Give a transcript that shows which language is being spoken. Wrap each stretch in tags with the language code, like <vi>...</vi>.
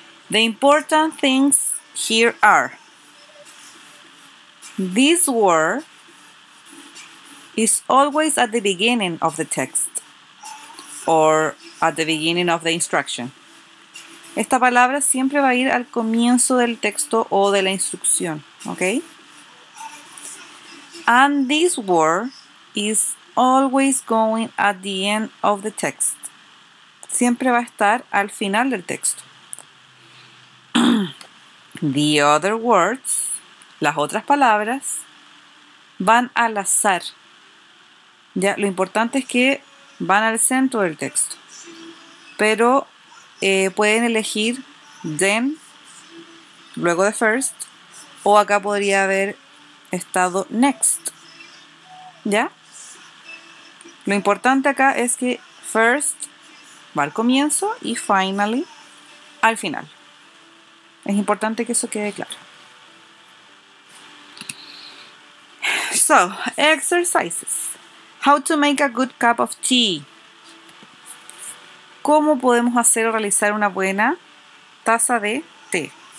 <en>The important things here are: this word is always at the beginning of the text or at the beginning of the instruction.</en> <es>Esta palabra siempre va a ir al comienzo del texto o de la instrucción, ¿ok?</es> <en>And this word is always going at the end of the text.</en> <es>Siempre va a estar al final del texto.</es> <en>The other words,</en> <es>las otras palabras, van al azar. Ya, lo importante es que van al centro del texto. Pero pueden elegir then, luego de first, o acá podría haber estado next. ¿Ya? Lo importante acá es que first va al comienzo y finally al final. Es importante que eso quede claro.</es> <en>So, exercises. How to make a good cup of tea.</en> <es>¿Cómo podemos hacer o realizar una buena taza de té?</es>